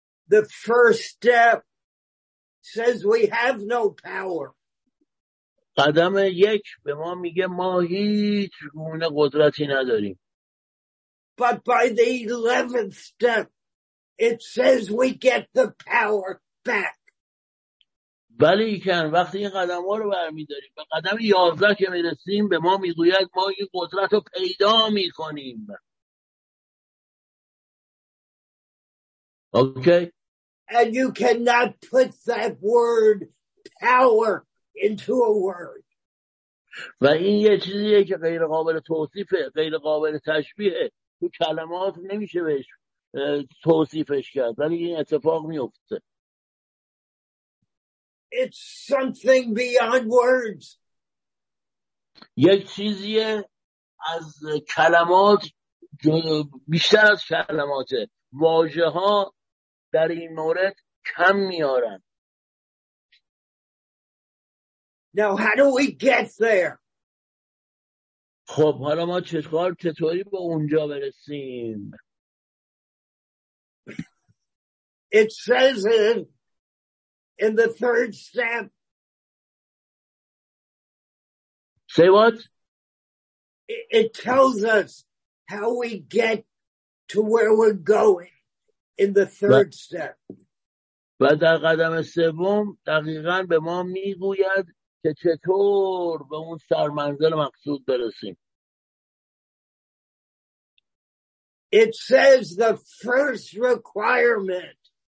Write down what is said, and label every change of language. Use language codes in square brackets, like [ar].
[en] The first step says we have no power. [fa] قدم یک به ما میگه ما هیچ گونه قدرتی نداریم. [en] But by the 11th step it says we get the power back. [fa] ولی که وقتی این قدم ها رو برمیداریم به قدم 11 که میرسیم به ما میگوید ما این قدرت رو پیدا میکنیم. [en] Okay. And you cannot put that word power into a word. [fa] و این یه چیزیه که غیر قابل توصیفه، غیر قابل تشبیهه. تو کلمات نمیشه بهش توصیفش کرد، ولی این اتفاق میفته. [en] It's something beyond words. [fa] یک چیزیه از کلمات بیشتر از کلماته. واژه‌ها در این مورد کم میارن. [en] Now how do we get there? [fa] خب حالا ما چطوری به اونجا برسیم؟ [en] It says in the third step. Say what? It tells us how we get to where we're going. In the third step. [fa] و در قدم سوم دقیقاً به ما میگوید که چطور به اون سرمنزل مقصود برسیم. It says the first requirement.